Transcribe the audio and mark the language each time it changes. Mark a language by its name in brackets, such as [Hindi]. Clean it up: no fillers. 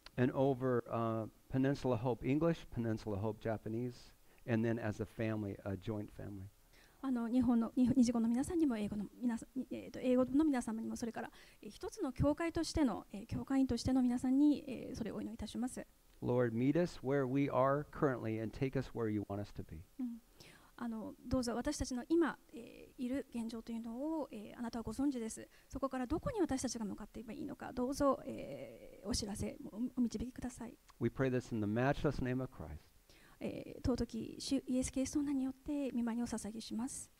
[English] And over Peninsula Hope English, Peninsula Hope Japanese, and then as a family, a joint family. [Japanese] あの日本の日本語の皆さんにも英語の皆さん、英語の皆様にもそれから一つの教会としての、教会員としての皆さんに、それをお祈りいたします。 [English] Lord, meet us where we are currently and take us where you want us to be. [Japanese] あのどうぞ私たちの今、いる現状というのを、あなたはご存知です。そこからどこに私たちが向かっていけばいいのか、どうぞ、お知らせ、お導きください。 [English] We pray this in the matchless name of Christ. [Japanese] 尊き主イエス・キリストの名によって御前にお捧げします。